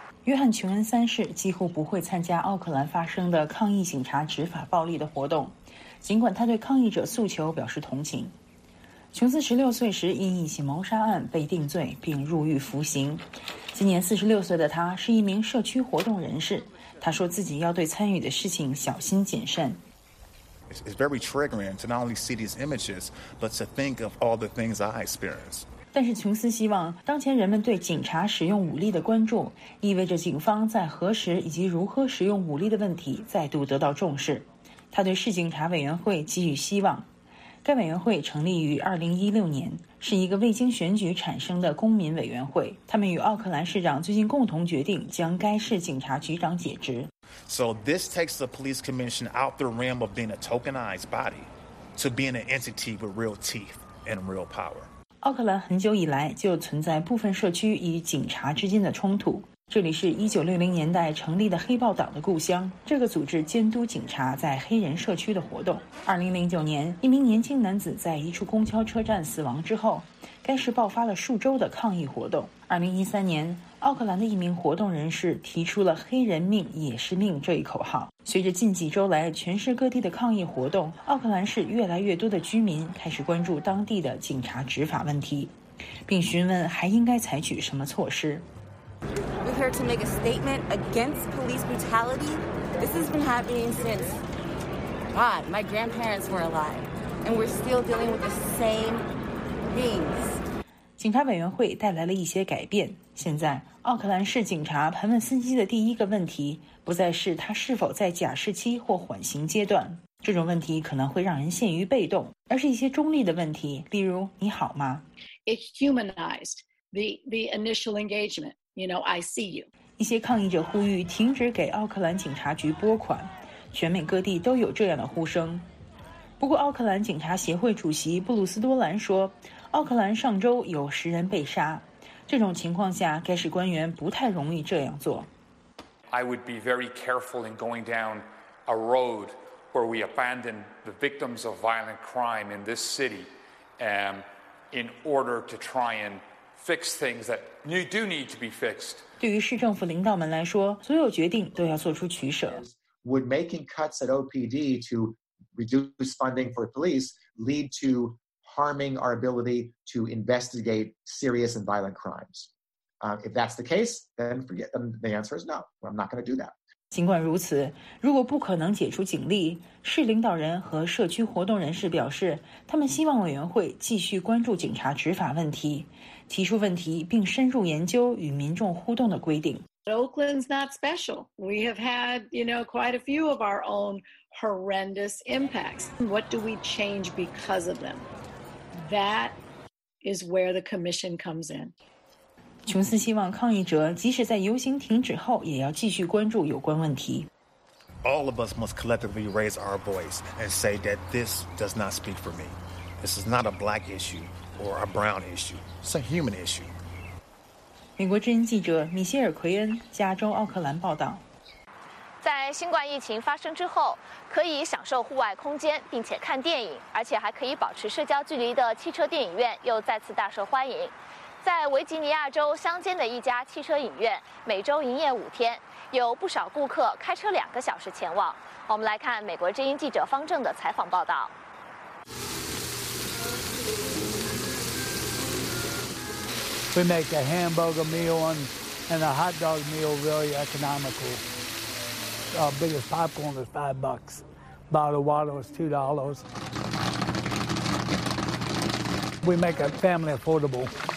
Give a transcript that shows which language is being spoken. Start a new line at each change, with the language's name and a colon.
Chinese: 约翰·琼恩三世几乎不会参加奥克兰发生的抗议警察执法暴力的活动，尽管他对抗议者诉求表示同情。琼斯16岁时因一起谋杀案被定罪并入狱服刑，今年46岁的他是一名社区活动人士。他说自己要对参与的事情小心谨慎。
English: It's very triggering to not only see these images, but to think of all the things I experienced.
Chinese: 但是琼斯希望，当前人们对警察使用武力的关注，意味着警方在何时以及如何使用武力的问题再度得到重视。他对市警察委员会给予希望。该委员会成立于2016年，是一个未经选举产生的公民委员会。他们与奥克兰市长最近共同决定将该市警察局长解职。
English: So this takes the police commission out the realm of being a tokenized body to being an entity with real teeth and real power.
Chinese: 奥克兰很久以来就存在部分社区与警察之间的冲突。这里是1960年代成立的黑豹党的故乡，这个组织监督警察在黑人社区的活动。 2009年，一名年轻男子在一处公交车站死亡之后，该市爆发了数周的抗议活动。 2013年，奥克兰的一名活动人士提出了黑人命也是命这一口号。随着近几周来全市各地的抗议活动，奥克兰市越来越多的居民开始关注当地的警察执法问题，并询问还应该采取什么措施。
English: We're here to make a statement against police brutality. This has been happening since, God, my grandparents were alive. And we're still dealing with the same things.
Chinese: 警察委员会带来了一些改变。现在，奥克兰市警察盘问司机的第一个问题，不再是他是否在假释期或缓刑阶段。这种问题可能会让人陷于被动，而是一些中立的问题，例如，你好吗？
English: It humanized the initial engagement. You know, I see you.
Chinese: 一些抗议者呼吁停止给奥克兰警察局拨款，全美各地都有这样的呼声。不过，奥克兰警察协会主席布鲁斯·多兰说，奥克兰上周有10人被杀，这种情况下，该市官员不太容易这样做。
English: I would be very careful in going down a road where we abandon the victims of violent crime in this city, in order to try and. Fix things that do need to be fixed.
Chinese: 对于市政府领导们来说，所有决定都要做出取舍。
English: Would making cuts at OPD to reduce funding for police lead to harming our ability to investigate serious and violent crimes? If that's the case, then forget them. The answer is no. I'm not going to do that.
Chinese: 尽管如此，如果不可能解除警力，市领导人和社区活动人士表示，他们希望委员会继续关注警察执法问题。提出问题并深入研究与民众互动的规定。
English: Oakland's not special. We have had, you know, quite a few of our own horrendous impacts. What do we change because of them? That is where the commission comes in.
Chinese: 琼斯希望抗议者即使在游行停止后，也要继续关注有关问题。
English: All of us must collectively raise our voice and say that this does not speak for me. This is not a black issue. Or a brown issue. It's a human issue.
Chinese: 美国之音记者米歇尔·奎恩，加州奥克兰报道。在在新冠疫情发生之后，可以享受户外空间并且看电影，而且还可以保持社交距离的汽车电影院又再次大受欢迎。在维吉尼亚州乡间的一家汽车影院，每周营业五天，有不少顾客开车两个小时前往。我们来看美国之音记者方正的采访报道。
English: We make a hamburger meal and a hot dog meal really economical. Our biggest popcorn is $5. Bottle of water is $2. We make a family affordable.